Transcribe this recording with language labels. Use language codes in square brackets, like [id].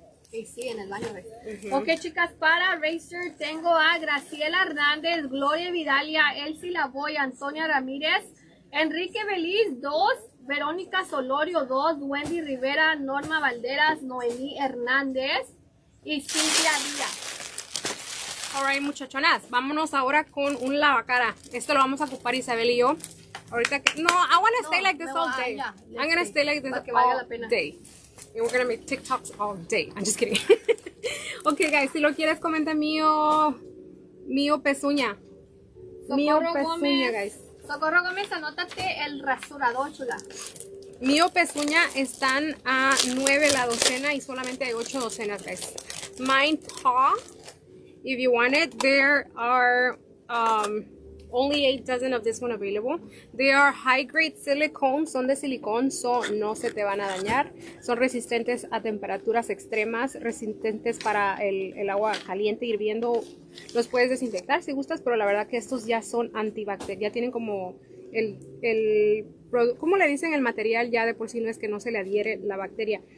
[es] Sí, en el baño. Ok, chicas, para Racer tengo a Graciela Hernández, Gloria Vidalia, Elsie Lavoy, Antonia Ramírez, Enrique Beliz 2, Verónica Solorio 2, Wendy Rivera, Norma Valderas, Noemí Hernández y Cintia Díaz. Alright, muchachonas, vámonos ahora con un lavacara. Esto lo vamos a ocupar Isabel y yo. [en] Ahorita que, no, I want to stay like this all day. I'm going to stay like this all day. And we're going to make TikToks all day. [es] I'm just kidding. Ok, guys, si lo quieres, comenta mío. Mío pezuña. Mío pezuña, guys. Socorro Gómez, anótate el rasurador, chula. Mío pezuña están a 9 la docena y solamente hay 8 docenas, guys. [en] Mine paw. If you want it, there are only 8 dozen of this one available. They are high grade silicone, son de silicón, so no se te van a dañar. [es] Son resistentes a temperaturas extremas, resistentes para el agua caliente hirviendo. Los puedes desinfectar si gustas, pero la verdad que estos ya son antibacterial. Ya tienen como el ¿cómo le dicen? El material ya de por sí no es que no se le adhiere la bacteria.